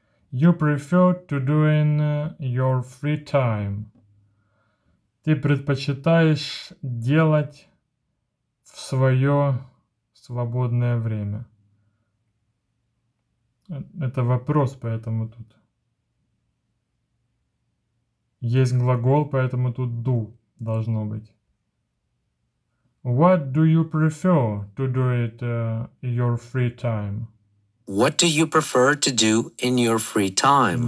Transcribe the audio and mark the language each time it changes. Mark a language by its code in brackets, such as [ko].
[en] You prefer to do in your free time. [ru] Ты предпочитаешь делать в свое свободное время. Это вопрос, поэтому тут. Есть глагол, поэтому тут do должно быть. [en] What do you prefer to do it in your free time? What do you prefer to do in your free time?